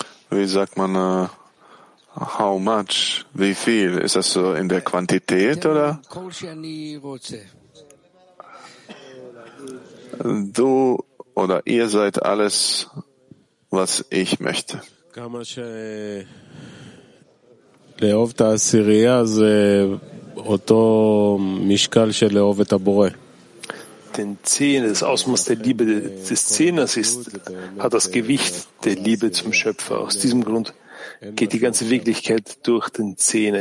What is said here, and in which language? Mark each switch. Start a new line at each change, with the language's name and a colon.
German: Wie sagt man,
English: how much?
German: Wie viel? Ist das so in der Quantität oder? Du oder ihr seid alles, was ich möchte.
Hebrew: לאהוב את העשירייה זה אותו משקל של לאהוב את הבורא.
German: Den Zehner, das Ausmaß der Liebe des Zehners ist, hat das Gewicht der Liebe zum Schöpfer. Aus diesem Grund geht die ganze Wirklichkeit durch den Zehner.